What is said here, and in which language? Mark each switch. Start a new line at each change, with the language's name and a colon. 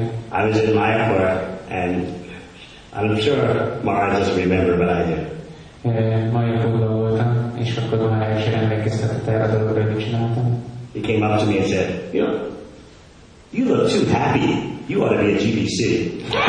English: I was in Mayapur, and I'm sure Maharaj doesn't remember, but I did.
Hungarian: Mayapurban voltam, és akkor Maharaj is emlékeztetett erre a dologra, amit csináltam.
English: He came up to me and said, you know, you look too happy. You ought to be a GBC.